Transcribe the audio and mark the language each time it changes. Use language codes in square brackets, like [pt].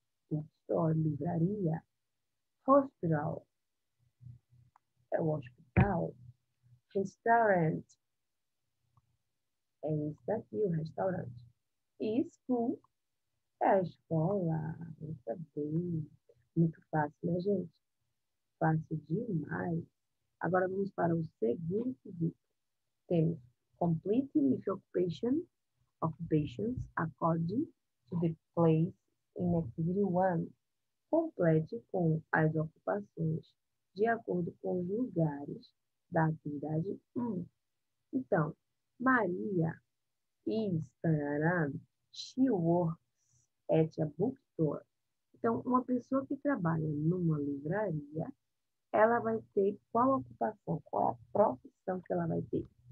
[pt] Bookstore, livraria. Hospital, é o hospital. Restaurant, é esse aqui, o restaurante. E school, é a escola, muito bem, muito fácil, né, gente? Fácil demais. Agora vamos para o segundo quesito. Temos [en] complete with occupations according to the place in activity one. [pt] Complete com as ocupações de acordo com os lugares da atividade 1. Então, [en] Maria is, she works at a bookstore. [pt] Então, uma pessoa que trabalha numa livraria, ela vai ter qual ocupação, qual a profissão que ela vai ter?